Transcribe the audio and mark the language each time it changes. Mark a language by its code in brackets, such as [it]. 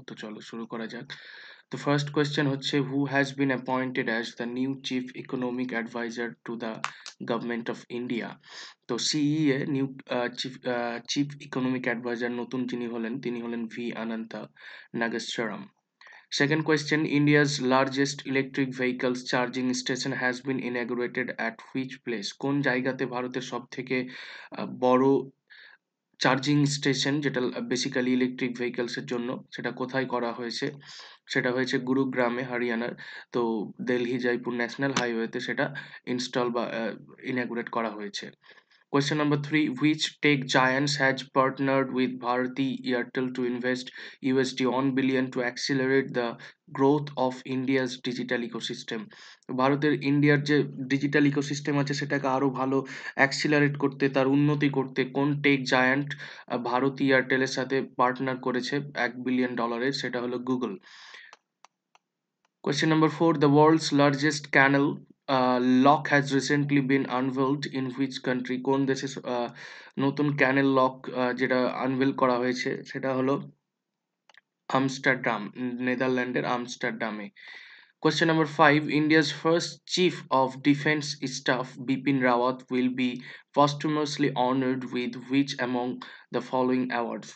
[bn] তো চলো শুরু করা যাক। তো ফার্স্ট কোয়েশ্চেন হচ্ছে, [en] Who has been appointed as the new chief economic adviser to the government of India. [bn] তো CEA new chief economic adviser নতুন যিনি হলেন, তিনি হলেন V Ananta নাগেশ্বরম। [en] Second question, India's largest electric vehicles charging station has been inaugurated at which place? [bn] কোন জায়গাতে ভারতের সব থেকে বড় চার্জিং স্টেশন, যেটা বেসিক্যালি ইলেকট্রিক ভেহিকলসের জন্য, সেটা কোথায় করা হয়েছে? সেটা হয়েছে গুরুগ্রামে, হরিয়ানার। তো দিল্লি জয়পুর ন্যাশনাল হাইওয়েতে সেটা ইনস্টল বা ইনাগুরেট করা হয়েছে। [en] Question number 3, which tech giants has partnered with Bharti Airtel to invest $1 billion to accelerate the growth of India's digital ecosystem? [bn] ভারতের ইন্ডিয়ার যে ডিজিটাল ইকোসিস্টেম আছে সেটাকে আরো ভালো অ্যাক্সিলারেট করতে, তার উন্নতি করতে কোন টেক জায়ান্ট ভারতী এয়ারটেলের সাথে পার্টনার করেছে $1 billion? সেটা হলো Google. [en] Question number 4, the world's largest canal lock has recently been unveiled in which country? [bn] কোন দেশে নতুন ক্যানেল লক যেটা আনভেল করা হয়েছে সেটা হলো Amsterdam, নেদারল্যান্ডের আমস্টারডামে। [en] Question number 5, India's first chief of defence staff Bipin Rawat will be posthumously honoured with which among the following awards?